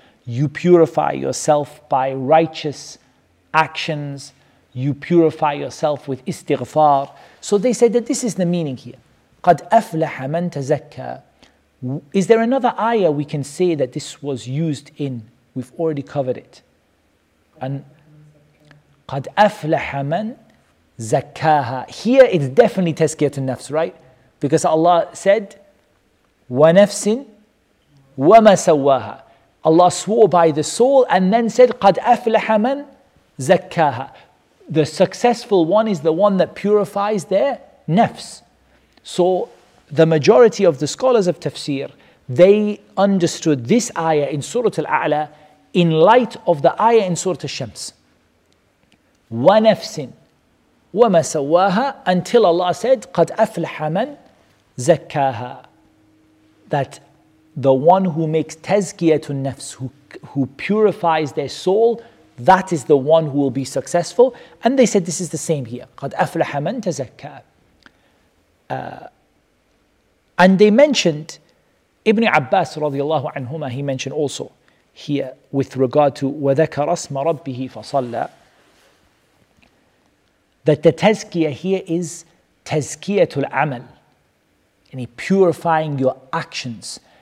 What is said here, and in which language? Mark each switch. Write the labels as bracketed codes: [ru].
[en] You purify yourself by righteous actions. You purify yourself with istighfar. So they say that this is the meaning here. [ar] قَدْ أَفْلَحَ مَنْ تَزَكَّى. [en] Is there another ayah we can say that this was used in? We've already covered it. [ar] And قَدْ أَفْلَحَ مَنْ زَكَّاهَا. [en] Here it's definitely [ar] تَزْكِيَةُ النَّفْس, [en] right? Because Allah said [ar] وَنَفْسٍ وَمَا سَوَّاهَا. [en] Allah swore by the soul and then said [ar] قَدْ أَفْلَحَ مَنْ زَكَّاهَا. [en] The successful one is the one that purifies their nafs. So the majority of the scholars of tafsir, they understood this ayah in Surah Al-A'la in light of the ayah in Surah Al-Shams. [ar] وَنَفْسٍ وَمَا سَوَّاهَا. [en] Until Allah said, [ar] قَدْ أَفْلَحَ مَنْ زَكَّاهَا. [en] That the one who makes [ar] تَزْكِيَةُ النَّفْس, [en] who purifies their soul, that is the one who will be successful. And they said this is the same here. [ar] قَدْ أَفْلَحَ مَنْ تَزَكَّى. [en] And they mentioned, Ibn Abbas radiallahu anhuma, he mentioned also here with regard to [ar] وَذَكَرَ اسْمَ رَبِّهِ فَصَلَّى, [en] that the tazkiyah here is [ar] تَزْكِيَةُ الْعَمَلِ, [en] yani purifying your actions.